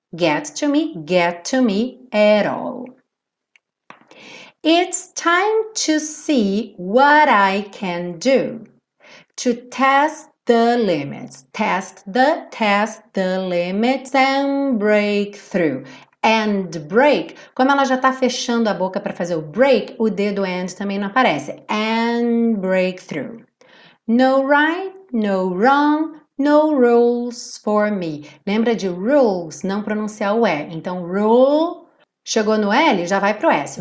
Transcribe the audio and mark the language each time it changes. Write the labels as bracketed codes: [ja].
[en] Get to me at all. It's time to see what I can do to test the limits. Test the limits and break through. And break, [pt] como ela já está fechando a boca para fazer o break, o dedo and também não aparece. [en] And breakthrough. No right, no wrong, no rules for me. [pt] Lembra de rules, não pronunciar o E. Então, rule, chegou no L, já vai para o S.